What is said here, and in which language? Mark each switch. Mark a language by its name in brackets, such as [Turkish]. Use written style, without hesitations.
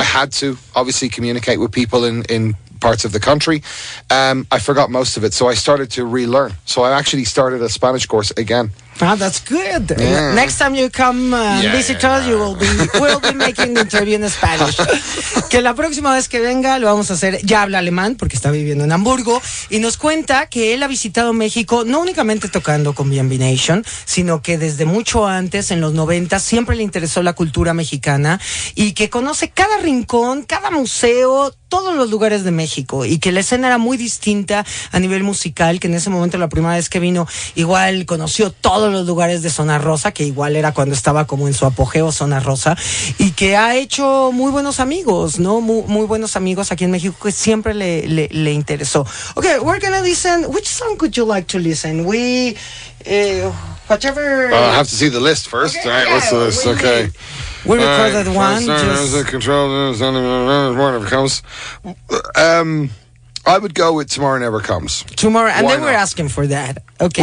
[English] I had to obviously communicate with people in parts of the country. I forgot most of it, so I started to relearn. So I actually started a Spanish course again. Ah, that's good. Yeah. Next time you come visit us, you will be making the interview in Spanish. [Spanish] Que la próxima vez que venga lo vamos a hacer, ya habla alemán porque está viviendo en Hamburgo, y nos cuenta que él ha visitado México no únicamente tocando con B&B Nation, sino que desde mucho antes, en los 90, siempre le interesó la cultura mexicana y que conoce cada rincón, cada museo, todos los lugares de México, y que la escena era muy distinta a nivel musical, que en ese momento, la primera vez que vino, igual conoció todos los lugares de Zona Rosa, que igual era cuando estaba como en su apogeo Zona Rosa, y que ha hecho muy buenos amigos, ¿no? Muy buenos amigos aquí en México, que siempre le interesó. [English] Okay, we're gonna listen. Which song could you like to listen? Well, I have to see the list first. Okay, all right, what's the list? Okay. We recorded Tomorrow Never Comes. I would go with Tomorrow Never Comes. Tomorrow, and they were asking for that. Okay.